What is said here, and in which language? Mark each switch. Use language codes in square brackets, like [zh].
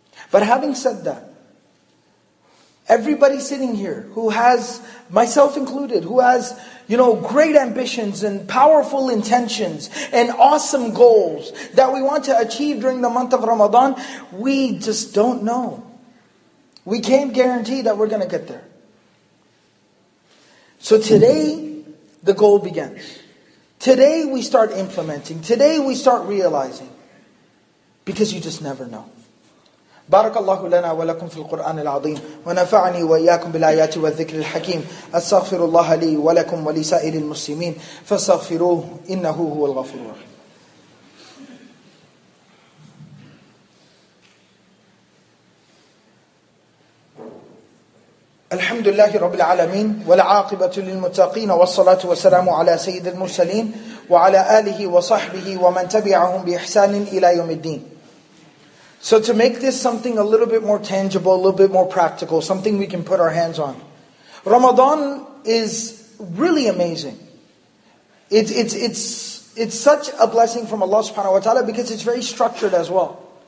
[en] But having said that, everybody sitting here who has, myself included, who has, you know, great ambitions and powerful intentions and awesome goals that we want to achieve during the month of Ramadan, we just don't know. We can't guarantee that we're going to get there. So today, the goal begins. Today we start implementing. Today we start realizing. Because you just never know. [ar] بارك الله لنا ولكم في القرآن العظيم ونفعني وإياكم بالآيات والذكر الحكيم أستغفر الله لي ولكم ولسائر المسلمين فاستغفروه إنه هو الغفور الرحيم. الحمد لله رب العالمين والعاقبة للمتقين والصلاة والسلام على سيد المرسلين وعلى آله وصحبه ومن تبعهم بإحسان إلى يوم الدين. [en] So to make this something a little bit more tangible, a little bit more practical, something we can put our hands on. Ramadan is really amazing. It's such a blessing from Allah subhanahu wa ta'ala because it's very structured as well.